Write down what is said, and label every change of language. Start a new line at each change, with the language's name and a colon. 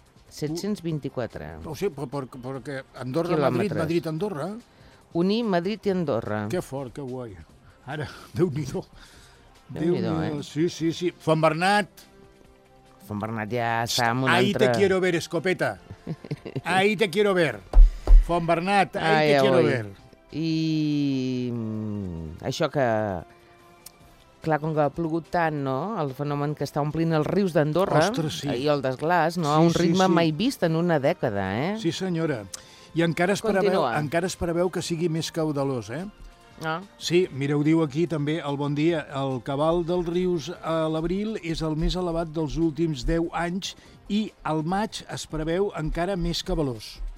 Catalan: 724. O sigui, perquè Andorra-Madrid, Madrid-Andorra... Unir Madrid i Andorra. Que fort, que guai. Ara, Déu-n'hi-do. Déu-n'hi-do, Sí, sí, sí. Font Bernat. Font Bernat ja està amb un
Spanish: ahí
Catalan: altre...
Spanish: Ahí te quiero ver, escopeta. Ahí te quiero ver. Font Bernat, ahí te quiero ver.
Catalan: I això que... Clar, com que ha plogut tant, no?, el fenomen que està omplint els rius d'Andorra... Ostres, sí. I el desglàs, no?, sí, a un ritme sí, sí. Mai vist en una dècada, eh? Sí, senyora. I encara es, preveu que sigui més caudalós, eh? Ah. Sí, mira, ho diu aquí també, el bon dia. El cabal dels rius a l'abril és el més elevat dels últims 10 anys i al maig es preveu encara més cabalós.